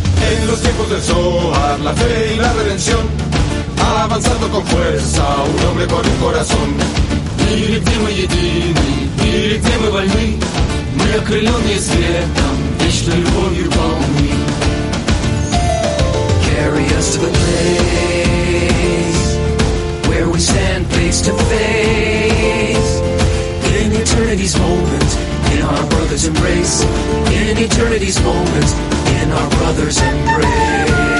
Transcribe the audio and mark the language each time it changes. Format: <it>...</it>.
<es>En los tiempos del Zohar, la fe y la redención, avanzando con fuerza, un hombre con un corazón.</es> <ru>Или где мы едины, или где мы больны, мы окрыленные светом, вечной любовью полны.</ru> <en>Carry us to the place where we stand face to face. In eternity's moment, in our brother's embrace. In eternity's moment, in our brother's embrace.</en>